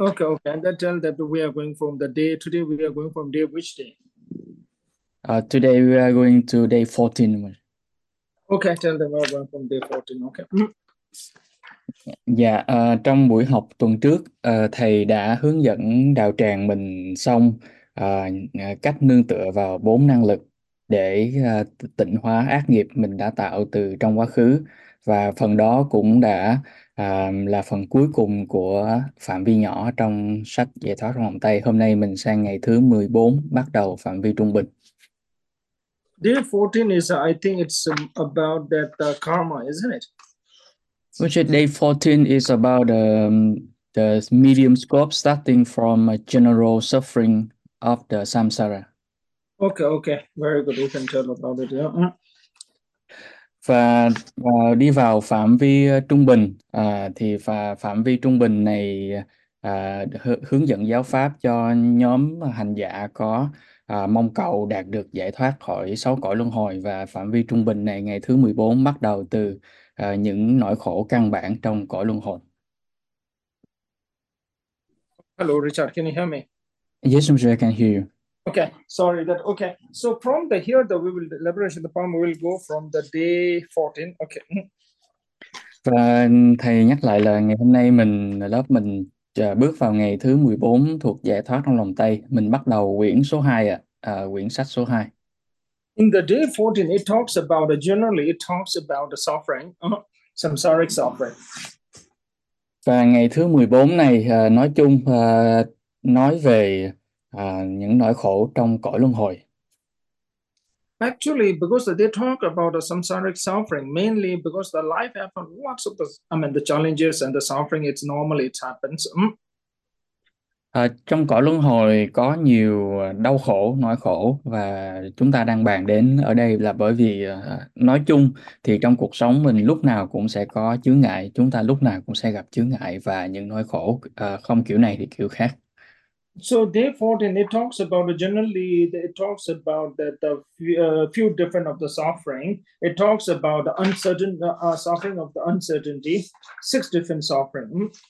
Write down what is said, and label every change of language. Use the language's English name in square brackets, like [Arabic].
[English] Okay, and then tell that we are going from the day today, we are going from day which day? Today we are going to day 14. Okay, tell them we are going from day 14, okay. [Vietnamese] Dạ, trong buổi học tuần trước, thầy đã hướng dẫn đạo tràng mình xong cách nương tựa vào bốn năng lực để tịnh hóa ác nghiệp mình đã tạo từ trong quá khứ. Và phần đó cũng đã là phần cuối cùng của phạm vi nhỏ trong sách Giải thoát trong vòng tay. Hôm nay mình sang ngày thứ 14, bắt đầu phạm vi trung bình. [English] Day 14 is, I think it's about that karma, isn't it? Which is day 14 is about the medium scope starting from a general suffering of the samsara. Okay, very good. We can tell about it. Yeah. [Vietnamese] Và đi vào phạm vi trung bình, thì phạm vi trung bình này hướng dẫn giáo pháp cho nhóm hành giả có mong cầu đạt được giải thoát khỏi sáu cõi luân hồi. Và phạm vi trung bình này ngày thứ 14 bắt đầu từ những nỗi khổ căn bản trong cõi luân hồi. [English] Hello Richard, can you hear me? Yes, I'm sure I can hear you. Okay, sorry that. Okay, so from the here, though, we will liberation the palm will go from the day 14. Okay. [Vietnamese] Và thầy nhắc lại là ngày hôm nay mình lớp mình bước vào ngày thứ 14 thuộc giải thoát trong lòng tay. Mình bắt đầu quyển số 2 quyển sách số 2. [English] In the day 14, it talks about generally it talks about the suffering, samsaric suffering. [Vietnamese] Và ngày thứ 14 này nói chung nói về những nỗi khổ trong cõi luân hồi. [English] Actually, because they talk about the samsaric suffering, mainly because the life happens, lots of the, I mean, the challenges and the suffering, it's normally it happens. [Vietnamese] Trong cõi luân hồi có nhiều đau khổ, nỗi khổ, và chúng ta đang bàn đến ở đây là bởi vì nói chung thì trong cuộc sống mình lúc nào cũng sẽ có chướng ngại, chúng ta lúc nào cũng sẽ gặp chướng ngại và những nỗi khổ không kiểu này thì kiểu khác. [English] So day 14, it talks about generally, it talks about the few different of the suffering. It talks about the uncertain suffering of the uncertainty, six different suffering.